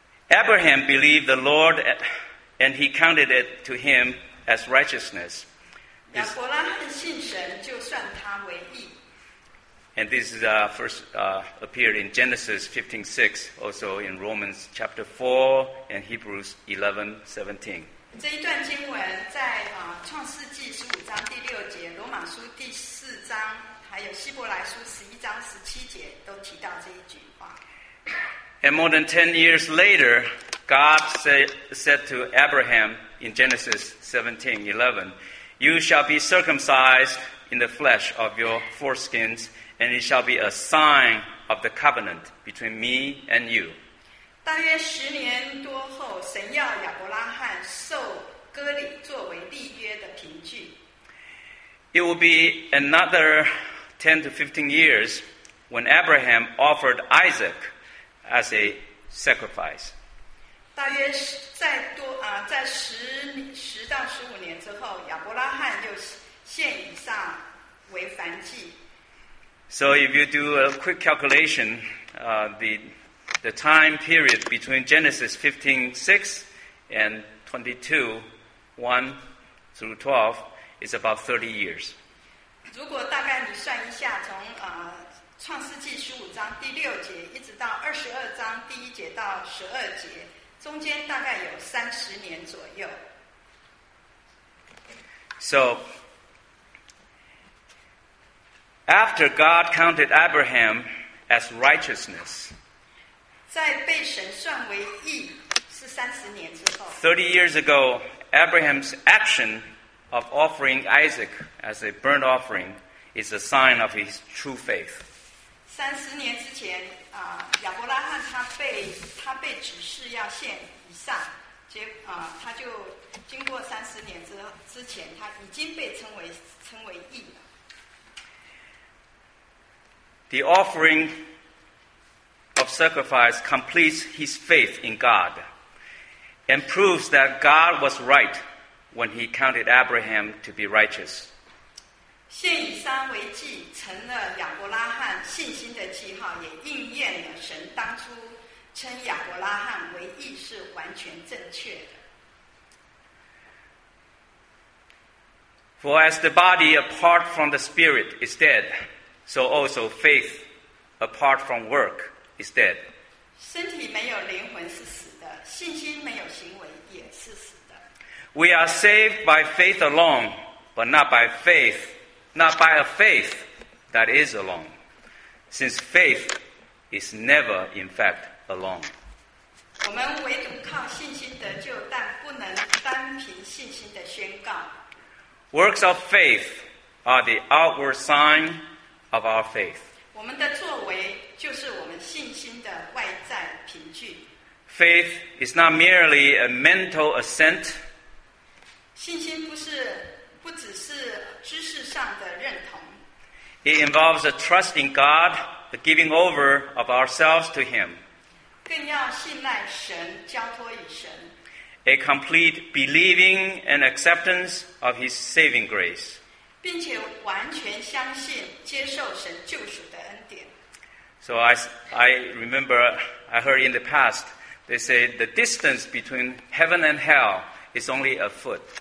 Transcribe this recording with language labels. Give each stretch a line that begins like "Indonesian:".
English: Abraham believed the Lord. And he counted it to him as righteousness.
Chinese: 亚伯拉罕信神，就算他为义。
English: And this is appeared in Genesis 15:6, also in Romans chapter 4 and Hebrews 11:17.
Chinese: 这一段经文在创世纪十五章第六节、罗马书第四章，还有希伯来书十一章十七节都提到这一句话。
English: And more than 10 years later. God said to Abraham in Genesis 17:11, You shall be circumcised in the flesh of your foreskins, and it shall be a sign of the covenant between me and you.
Chinese: 大约十年多后，神要亚伯拉罕受割礼作为立约的凭据。
English: It will be another 10 to 15 years when Abraham offered Isaac as a sacrifice.
Chinese: 大约再多啊，在十到十五年之后，亚伯拉罕又献以撒为燔祭。
English: So if you do a quick calculation, the time period between Genesis 15:6 and 22:1-12 is about 30 years.
Chinese: 如果大概你算一下，从创世纪十五章第六节一直到二十二章第一节到十二节，中间大概有三十年左右。
English: So after God counted Abraham as righteousness,
Chinese: 在被神算为义是三十年之后。
English: 30 years ago, Abraham's action of offering Isaac as a burnt offering is a sign of his true faith.
Chinese: 三十年之前，亚伯拉罕他被指示要献以撒，他就经过三十年之前，他已经被称为义了。
English: The offering of sacrifice completes his faith in God and proves that God was right when he counted Abraham to be righteous.
Chinese: 献以撒为祭成了亚伯拉罕信心的记号，也应验了神当初称亚伯拉罕为义是完全正确的。
English: For as the body apart from the spirit is dead, so also faith apart from work is dead.
Chinese: 身体没有灵魂是死的，信心没有行为也是死的。
English: We are saved by faith alone, but not by a faith that is alone, since faith is never in fact alone.
Chinese: 我们唯独靠信心得救，但不能单凭信心的宣告。
English: Works of faith are the outward sign of our faith.
Chinese: 我们的作为就是我们信心的外在凭据。
English: Faith is not merely a mental assent.
Chinese: 信心不只是知识上的认同。
English: It involves a trust in God, the giving over of ourselves to Him.
Chinese: 更要信赖神，交托于神。
English: A complete believing and acceptance of His saving grace.
Chinese: 并且完全相信接受神救赎的恩典。
English: So I remember I heard in the past they say the distance between heaven and hell is only a foot.